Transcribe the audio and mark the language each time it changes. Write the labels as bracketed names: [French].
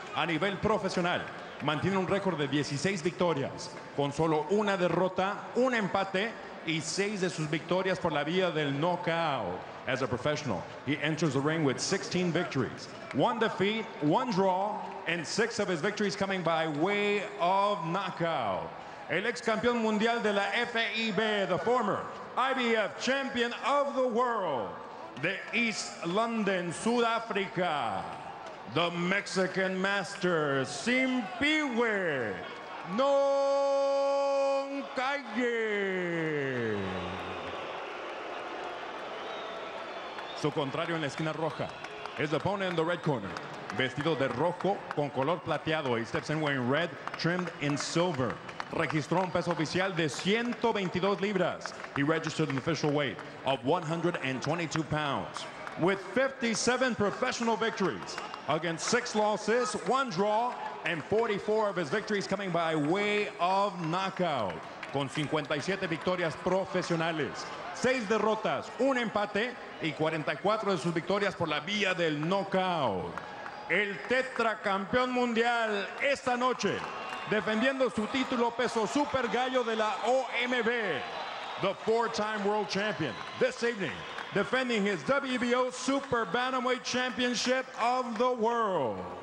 [Spanish] A nivel profesional, mantiene un récord de 16 victorias, con solo una derrota, un empate y 6 de sus victorias por la vía del knockout. [English] As a professional, he enters the ring with 16 victories, 1 defeat, 1 draw, and 6 of his victories coming by way of knockout. [Spanish] El ex campeón mundial de la FIB, [English] the former IBF champion of the world, the East London, Sudáfrica, the Mexican master, Simpiwe, Noncalle. [Spanish] Su contrario en la esquina roja, [English] his opponent in the red corner, [Spanish] vestido de rojo con color plateado, [English] he steps in wearing red, trimmed in silver. [Spanish] Registró un peso oficial de 122 libras. [English] He registered an official weight of 122 pounds. With 57 professional victories against 6 losses, 1 draw, and 44 of his victories coming by way of knockout. [Spanish] Con 57 victorias profesionales, 6 derrotas, 1 empate, y 44 de sus victorias por la vía del knockout. El tetracampeón mundial esta noche, defendiendo su título peso super gallo de la OMB, [English] the four-time world champion, this evening, defending his WBO Super Bantamweight Championship of the World.